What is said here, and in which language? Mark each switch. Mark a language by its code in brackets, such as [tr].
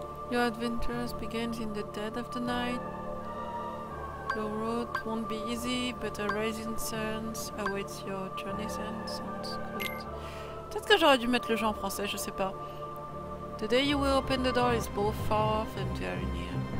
[en] Your adventures begins in the dead of the night. Your road won't be easy, but a rising sun awaits your journey's end. Sounds good. [fr] Peut-être que j'aurais dû mettre le jeu en français, je sais pas. [en] The day you will open the door is both far off and very near.